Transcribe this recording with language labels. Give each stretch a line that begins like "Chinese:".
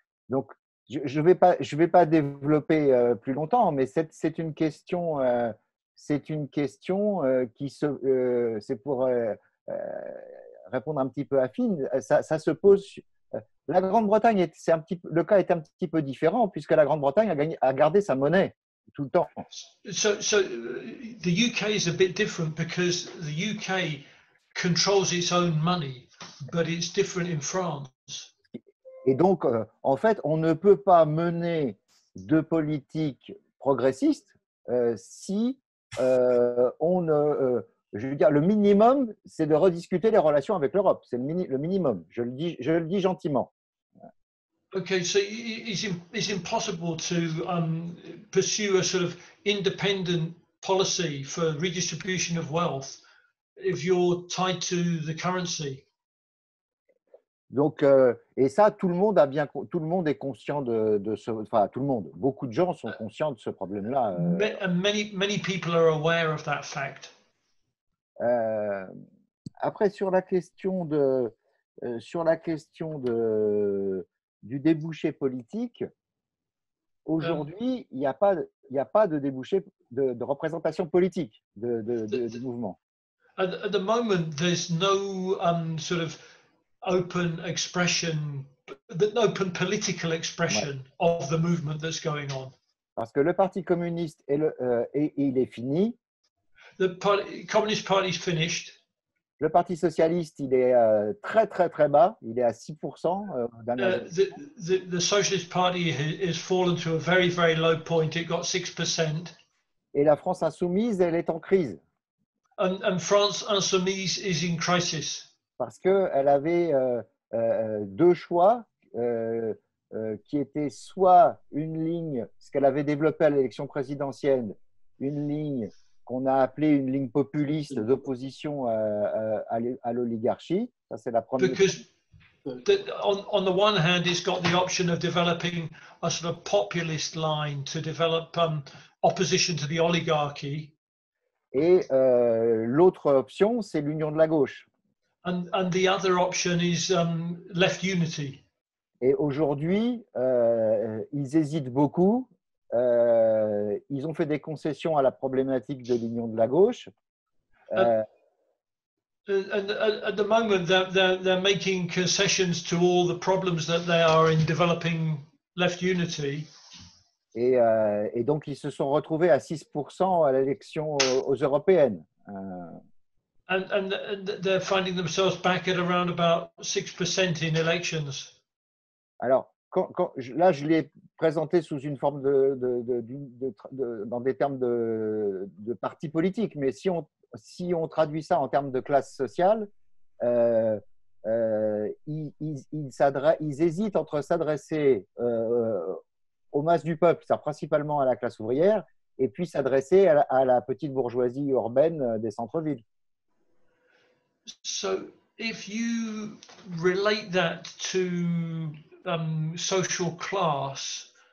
French: Donc, je vais pas développer plus longtemps, mais c'est une question qui se pour répondre un petit peu à Fine. Ça se pose. La Grande-Bretagne est un petit peu différent puisque la Grande-Bretagne a gardé sa monnaie. Tout le temps.
English: So the UK is a bit different because the UK controls its own money, but it's different in France.
French: Et donc, en fait, on ne peut pas mener de politique progressiste le minimum, c'est de rediscuter les relations avec l'Europe. C'est le minimum. Je le dis gentiment.
English: Okay, so it's impossible to pursue a sort of independent policy for redistribution of wealth if you're tied to the currency.
French: Donc, et ça, tout le monde est conscient de ce, enfin, tout le monde, beaucoup de gens sont conscients de ce problème-là.
English: Many people are aware of that fact.
French: Après, sur la question de du débouché politique, aujourd'hui, il n'y a pas de débouché de représentation politique de mouvement.
English: At the moment, there's no sort of open expression, open political expression, ouais, of the movement that's going on.
French: Parce que le Parti communiste est il est fini.
English: The Communist Party is finished.
French: Le Parti socialiste, il est très très très bas, il est à 6%.
English: The Socialist Party has fallen to a very very low point. It got 6%.
French: Et la France insoumise, elle est en crise.
English: And France insoumise is in crisis.
French: Parce que elle avait deux choix qui étaient soit une ligne, ce qu'elle avait développé à l'élection présidentielle, une ligne qu'on a appelé une ligne populiste d'opposition à l'oligarchie. Ça, c'est la première.
English: Because on the one hand, it's got the option of developing a sort of populist line to develop opposition to the oligarchy.
French: Et l'autre option, c'est l'union de la gauche.
English: And the other option is left unity.
French: Et aujourd'hui, ils hésitent beaucoup. Ils ont fait des concessions à la problématique de l'union de la gauche.
English: At the moment, they're making concessions to all the problems that they are in developing left unity.
French: Et donc, ils se sont retrouvés à 6% à l'élection aux européennes.
English: And they're finding themselves back at around about 6% in elections.
French: Alors, là, je l'ai présenté sous une forme de dans des termes de parti politique, mais si on traduit ça en termes de classe sociale, ils hésitent entre s'adresser aux masses du peuple, c'est-à-dire principalement à la classe ouvrière, et puis s'adresser à la petite bourgeoisie urbaine des centres-villes.
English: So, if you relate that to social class,